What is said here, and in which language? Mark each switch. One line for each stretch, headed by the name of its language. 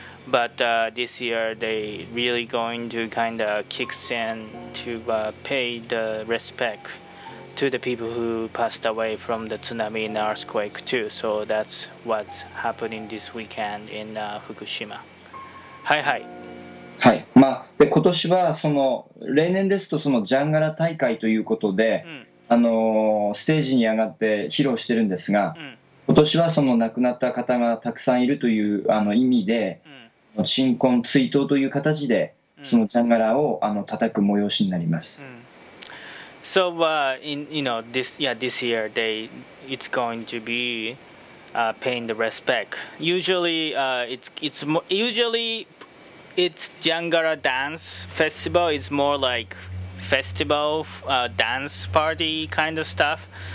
English: But this year they really going to kind of kick in to pay the respect to the people who passed away from the tsunami and earthquake too. So that's what's happening this weekend in Fukushima.
Japanese: はいはい。はい。まあ、で今年はその例年ですとそのジャンガラ大会ということで、うん、ステージに上がって披露してるんですが、うん、今年はその亡くなった方がたくさんいるという意味で、うん、鎮魂追悼という形でそのジャンガラを叩く催しになります。うん、
English: So this year it's going to be paying the respect. Usually it's Jangara dance festival. It's more like festival dance party kind of stuff.